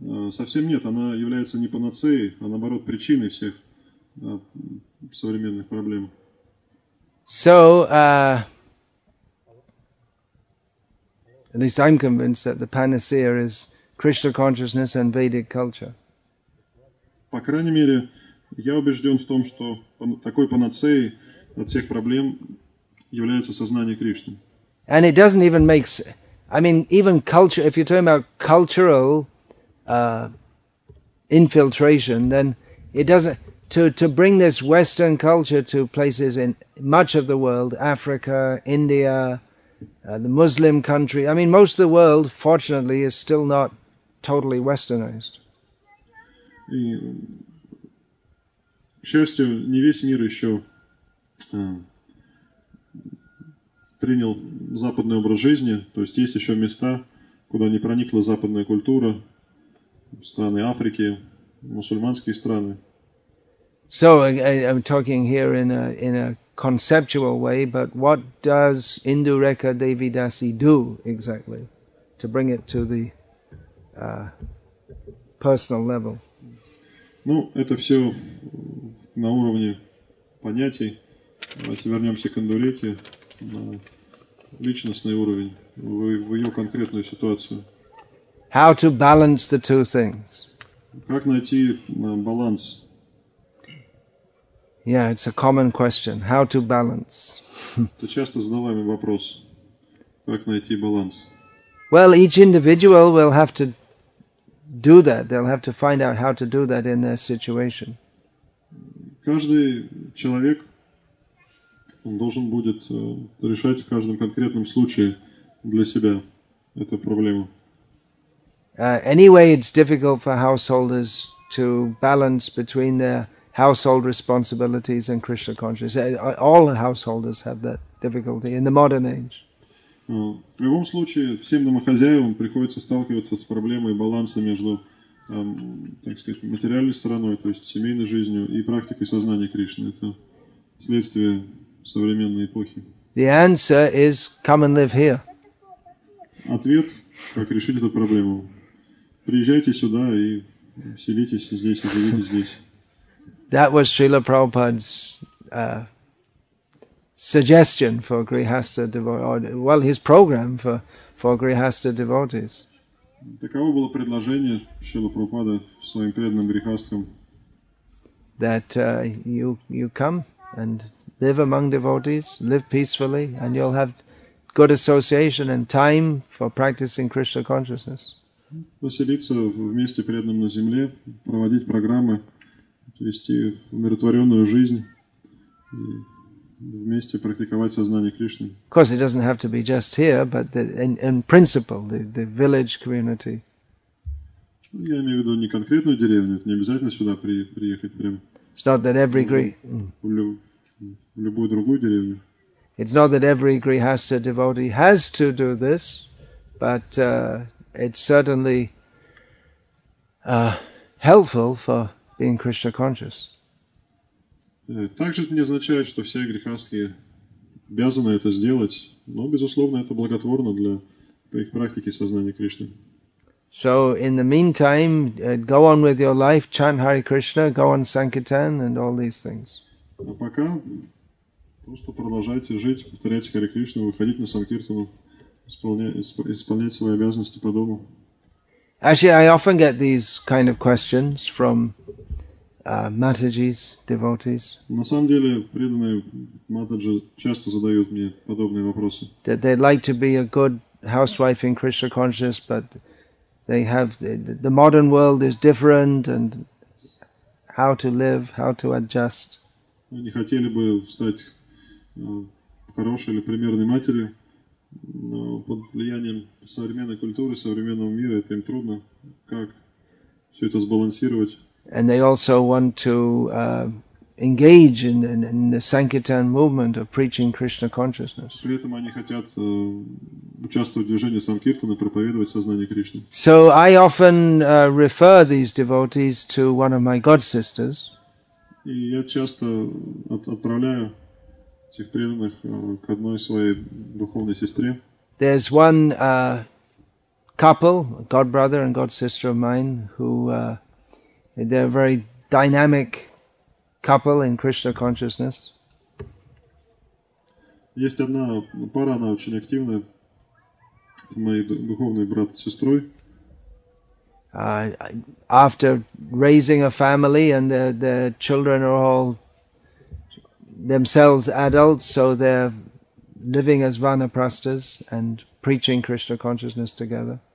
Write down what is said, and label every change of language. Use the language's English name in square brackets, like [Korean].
[Russian] Совсем нет, она является не панацеей, а наоборот причиной всех современных проблем. [English] So, at least I'm convinced that the panacea is Krishna consciousness and Vedic culture. [Russian] По крайней мере, я убежден в том, что такой панацеей от всех проблем является сознание Кришны. [English] And it doesn't even make sense. I mean, even culture, if you're talking about cultural infiltration, then it doesn't, to bring this Western culture to places in much of the world, Africa, India, the Muslim country, I mean, most of the world, fortunately, is still not totally westernized. [Russian] И, к счастью, не весь мир еще принял западный образ жизни, то есть есть еще места, куда не проникла западная культура, страны Африки, мусульманские страны. [English] So I'm talking here in a conceptual way, but what does Indureka Devidasi do exactly to bring it to the personal level? [Russian] Ну, это все на уровне понятий. Давайте вернемся к Индуреке на личностный уровень, в ее конкретную ситуацию. [English] How to balance the two things? [Russian] Как найти баланс? [English] Yeah, it's a common question. How to balance? [Russian] Это часто задаваемый вопрос. Как найти баланс? [English] Well, each individual will have to do that. They'll have to find out how to do that in their situation. [Russian] Каждый человек должен будет решать в каждом конкретном случае для себя эту проблему. [English] Anyway, it's difficult for householders to balance between their household responsibilities and Krishna consciousness. All householders have that difficulty in the modern age. [Russian] В любом случае, всем домохозяевам приходится сталкиваться с проблемой баланса между, так сказать, материальной стороной, то есть семейной жизнью, и практикой сознания Кришны. Это следствие современной эпохи. [English] The answer is come and live here. [Russian] Ответ, как решить эту проблему. Приезжайте сюда и селитесь здесь, и живите здесь. [English] That was Srila Prabhupada's suggestion for Grihastha devotees. Well, his program for Grihastha devotees. [Russian] Таково было предложение Шрила Прабхупады своим преданным грихастхам. [English] That you come and live among devotees, live peacefully, and you'll have good association and time for practicing Krishna consciousness. [Russian] Поселиться вместе преданным на земле, проводить программы, вести умиротворенную жизнь, вместе практиковать сознание Кришны. [English] Of course, it doesn't have to be just here, but in principle, the village community. [Russian] Я имею в виду не конкретную деревню, не обязательно сюда приехать прямо. [English] It's not that every Greek. [Russian] В любую другую деревню. [English] It's not that every Grihastha devotee has to do this, but it's certainly helpful for being Krishna conscious. [Russian] Также это не означает, что все грехастхи обязаны это сделать, но безусловно это благотворно для их практики сознания Кришны. [English] So in the meantime, go on with your life, chant Hare Krishna, go on Sankirtan and all these things. [Russian] А пока просто продолжайте жить, повторяйте Харе Кришну, выходить на Санкиртану, исполнять свои обязанности по дому. [English] Actually, I often get these kind of questions from Mataji's devotees. [Russian] На самом деле, преданные Матаджи часто задают мне подобные вопросы. [English] That they'd like to be a good housewife in Krishna consciousness, but they have the modern world is different, and how to live, how to adjust. [Russian] Они хотели бы стать хорошей или примерной матерью, но под влиянием современной культуры, современного мира, это им трудно. Как все это сбалансировать? [English] And they also want to engage in the Sankirtan movement of preaching Krishna consciousness. [Russian] При этом они хотят участвовать в движении Санкиртаны, проповедовать сознание Кришны. [English] So I often refer these devotees to one of my god sisters. [Russian] И я часто отправляю этих преданных к одной своей духовной сестре. [English] There's one couple, god brother and god sister of mine, who they're very dynamic couple in Krishna consciousness. [Russian] Есть одна пара, она очень активная. Мой духовный брат с сестрой. [English] After raising a family and the children are all themselves adults, so they're living as vanaprastas and preaching Krishna consciousness together.